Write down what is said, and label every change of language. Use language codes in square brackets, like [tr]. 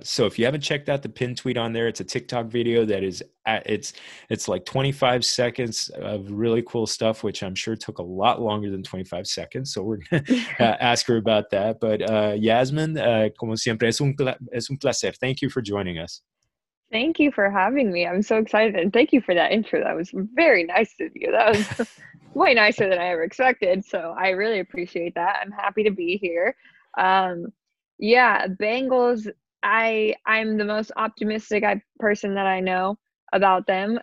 [en] So if you haven't checked out the pinned tweet on there, it's a TikTok video that is it's like 25 seconds of really cool stuff, which I'm sure took a lot longer than 25 seconds. So we're gonna ask her about that. [es] But Yasmin, como siempre, es un placer. [en] Thank you for joining us. Thank you for having me. I'm so excited, and thank you for that intro. That was very nice of you. That was way nicer than I ever expected. So I really appreciate that. I'm happy to be here. Yeah, Bengals. I'm the most optimistic person that I know about them.